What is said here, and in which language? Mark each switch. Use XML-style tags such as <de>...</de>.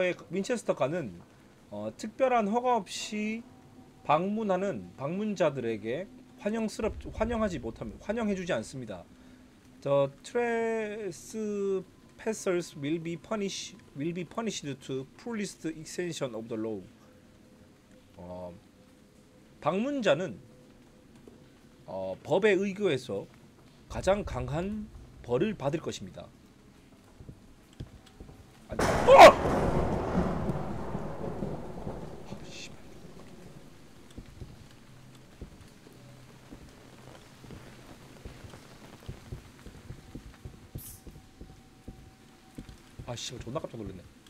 <ko>윈체스터 가는 특별한 허가 없이 방문자들에게 환영하지 못합니다. 환영해주지 않습니다.</ko> <en>The trespassers will be punished to fullest extension of the law.</en> <ko>방문자는 법에 의거해서 가장 강한 벌을 받을 것입니다. 아니, 씨발, 존나 깜짝 놀랐네.</ko>